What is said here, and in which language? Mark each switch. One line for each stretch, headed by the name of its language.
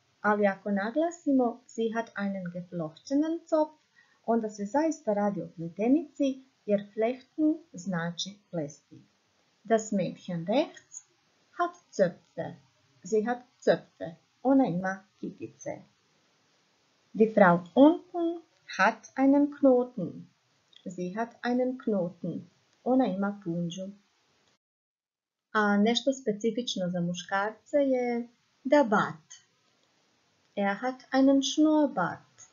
Croatian: Ali ako naglasimo
German: sie hat einen geflochtenen Zopf,
Croatian: onda se zaista radi o pletenici jer flechten znači plesti.
German: Das Mädchen rechts hat Zöpfe. Sie hat Zöpfe.
Croatian: Ona ima kipice.
German: Die Frau unten hat einen Knoten. Sie hat einen Knoten.
Croatian: Ona ima punđu. A nešto specifično za muškarce je der Bart.
German: Er hat einen Schnurrbart.